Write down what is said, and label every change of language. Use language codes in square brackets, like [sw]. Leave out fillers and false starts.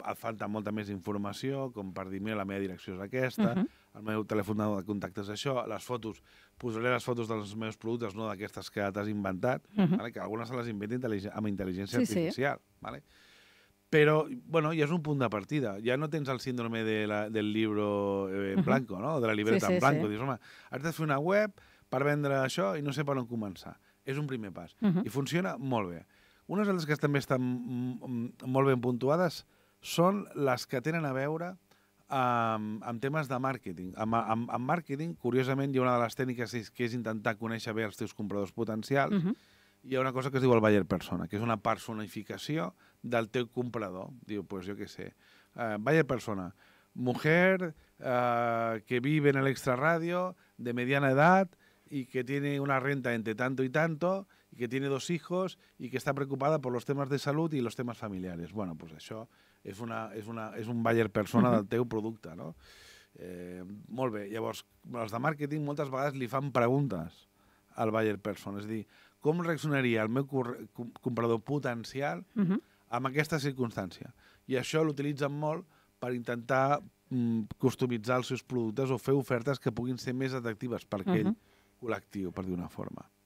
[ca] Et falta molta més informació, com per dir, mira, la meva direcció és aquesta, el meu telèfon de contacte és això, les fotos, posaré les fotos dels meus productes, no d'aquestes que t'has inventat, vale? Que algunes se les inventa amb intel·ligència artificial. Sí. Vale? Però, bueno, ja és un punt de partida. Ja no tens el síndrome del [es] libro en blanco, [ca] no? [es] De la libreta en blanco. [ca] Dius, home, has de fer una web per vendre això i no sé per on començar. És un primer pas. I funciona molt bé. Unes altres que també estan molt ben puntuades són les que tenen a veure amb temes de màrqueting. Amb màrqueting, curiosament, hi ha una de les tècniques que és intentar conèixer bé els teus compradors potencials. Hi ha una cosa que es diu el buyer persona, que és una personificació del teu comprador. Diu, pues jo què sé, [es] buyer persona, mujer que vive en el extrarradio, de mediana edad y que tiene una renta entre tanto y tanto, y que tiene 2 hijos y que está preocupada por los temas de salud y los temas familiares. Bueno, [ca] pues això és un buyer persona del teu producte, no? Molt bé, llavors, els de màrqueting moltes vegades li fan preguntes al buyer persona, és a dir, com reaccionaria el meu comprador potencial amb aquesta circumstància? I això l'utilitzen molt per intentar customitzar els seus productes o fer ofertes que puguin ser més atractives per aquell col·lectiu, per dir-ho d'una forma.